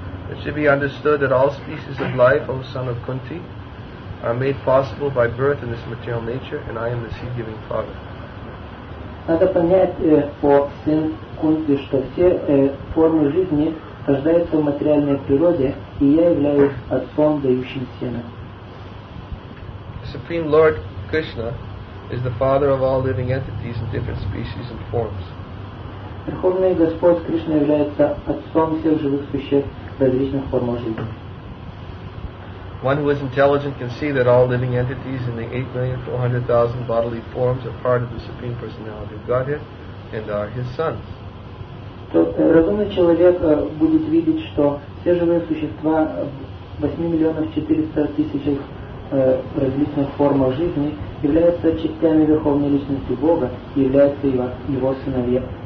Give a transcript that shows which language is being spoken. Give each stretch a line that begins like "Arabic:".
English: It should be understood that all species of life, O son of Kunti, are made possible by birth in this material nature, and I am the seed-giving father.
Russian: Надо понять, по сын Кунти, что все формы жизни рождаются в материальной природе, и я являюсь отцом, дающим семя.
English: Supreme Lord Krishna is the father of all living entities in different species and forms.
Russian: Верховный Господь Кришна является отцом всех живых существ в различных формах жизни.
English: One who is intelligent can see that all living entities in the 8,400,000 bodily forms are part of the Supreme Personality of Godhead and are His sons.
Russian: Разумный человек будет видеть, что все живые существа в 8,400,000 различных формах жизни являются частями Верховной Личности Бога и являются Его сыновьями.